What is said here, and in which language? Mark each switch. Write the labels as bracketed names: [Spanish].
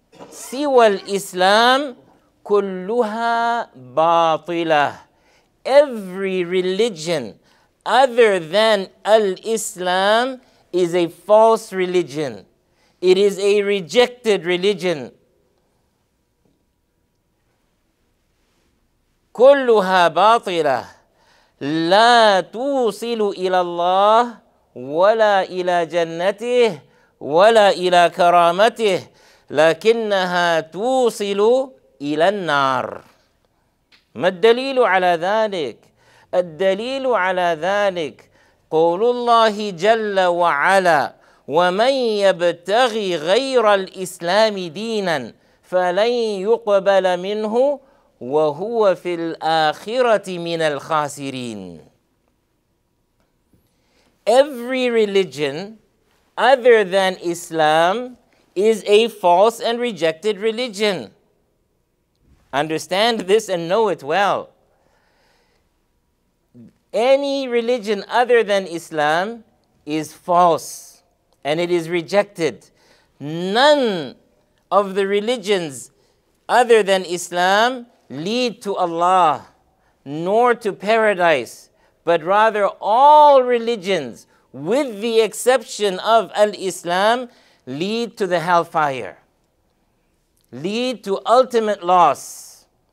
[Arabic] سِوَى الْإِسْلَامِ كُلُّهَا بَاطِلَةٌ [English] Every religion other than al-Islam is a false religion. It is a rejected religion. [Arabic] كُلُّهَا بَاطِلَةٌ لَا تُوصِلُ إِلَى اللَّهِ وَلَا إِلَى جَنَّتِهِ وَلَا إِلَى كَرَامَتِهِ لَكِنَّهَا تُوصِلُ إِلَى النَّارِ مَا الدَّلِيلُ عَلَى ذَلِكَ الدَّلِيلُ عَلَى ذَلِكَ قَوْلُ اللَّهِ جَلَّ وَعَلَى وَمَنْ يَبْتَغِي غَيْرَ الْإِسْلَامِ دِينًا فَلَنْ يُقْبَلَ مِنْهُ وَهُوَ فِي الْآخِرَةِ مِنَ الْخَاسِرِينَ [English] Every religion other than Islam is a false and rejected religion. Understand this and know it well. Any religion other than Islam is false and it is rejected. None of the religions other than Islam lead to Allah nor to paradise, but rather all religions with the exception of al-Islam lead to the hellfire, lead to ultimate loss.